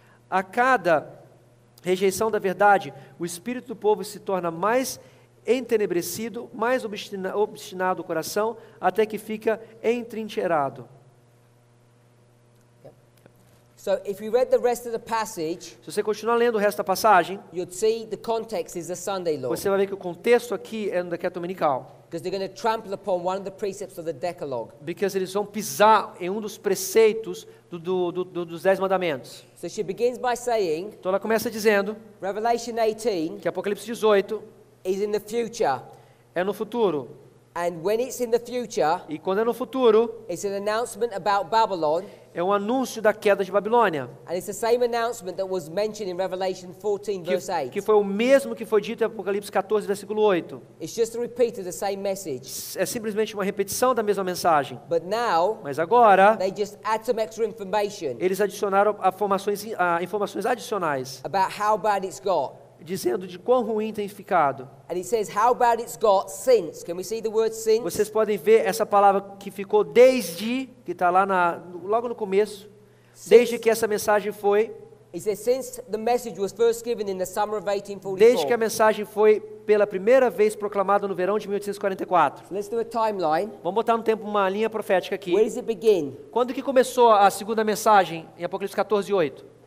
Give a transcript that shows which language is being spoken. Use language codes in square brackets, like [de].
[pt] A cada rejeição da verdade, o espírito do povo se torna mais entenebrecido, mais obstinado o coração, até que fica entrincheirado. [en] So if you read the rest of the passage, [pt] se você continuar lendo o resto da passagem, [en] you'd see the context is the Sunday law. [pt] Você vai ver que o contexto aqui é no decreto dominical. [en] Because they're going to trample upon one of the precepts of the Decalogue. [pt] Because eles vão pisar em um dos preceitos dos dez mandamentos. [en] So she begins by saying, [pt] então ela começa dizendo, [en] Revelation 18, [pt] que Apocalipse 18 [en] is in the future. [pt] É no futuro. [en] And when it's in the future, [pt] e quando é no futuro, [en] it's an announcement about Babylon. [pt] É um anúncio da queda de Babilônia. [en] And it's the same announcement that was mentioned in Revelation 14, verse 8. [pt] Que foi o mesmo que foi dito em Apocalipse 14, versículo 8. [en] It's just a repeat of the same message. [pt] É simplesmente uma repetição da mesma mensagem. [en] But now, [pt] mas agora, [en] they just add some extra information. [pt] Eles adicionaram informações adicionais. [en] About how bad it's got. [pt] Dizendo de quão ruim tem ficado. [en] And it says how bad it's got since. Can we see the word since? [pt] Vocês podem ver essa palavra que ficou desde, que está lá logo no começo, since, desde que essa mensagem foi. [en] It says since the message was first given in the summer of 1844. [pt] Desde que a mensagem foi pela primeira vez proclamada no verão de 1844. [en] Let's do a timeline. [pt] Vamos botar no tempo uma linha profética aqui. [en] Where does it begin? [pt] Quando que começou a segunda mensagem em Apocalipse 14, 8?